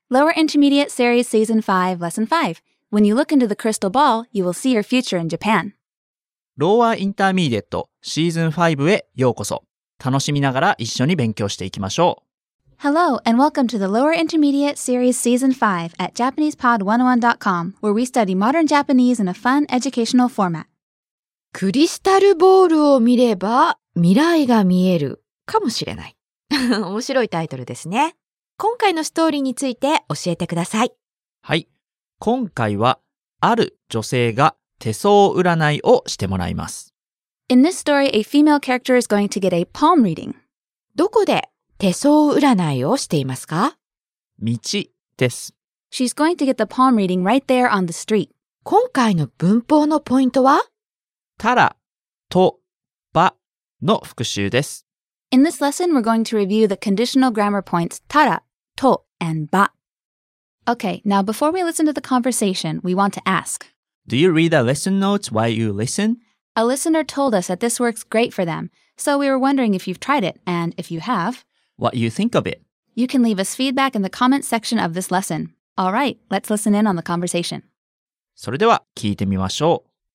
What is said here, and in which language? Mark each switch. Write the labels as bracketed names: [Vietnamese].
[English] Lower Intermediate Series Season 5, Lesson 5. When you look into the crystal ball, you will see your future in Japan. [Japanese] Lower Intermediate Season 5へようこそ。楽しみながら一緒に勉強していきましょう。 [English] Hello and welcome to the Lower Intermediate Series Season 5 at JapanesePod101.com, where we study modern Japanese in a fun educational format. [Japanese] クリスタルボールを見れば未来が見えるかもしれない。面白いタイトルですね。今回のストーリーについて教えてください。はい。今回は、ある女性が手相占いをしてもらいます。 [English] In this story, a female character is going to get a palm reading. [Japanese] どこで手相占いをしていますか？道です。 [English] She's going to get the palm reading right there on the street. [Japanese] 今回の文法のポイントは？たら、と、ば、の復習です。 [English] In this lesson, we're going to review the conditional grammar points tara, to, and ba. Okay, now before we listen to the conversation, we want to ask. Do you read the lesson notes while you listen? A listener told us that this works great for them, so we were wondering if you've tried it, and if you have, what you think of it. You can leave us feedback in the comments section of this lesson. All right, let's listen in on the conversation. [Japanese] それでは聞いてみましょう。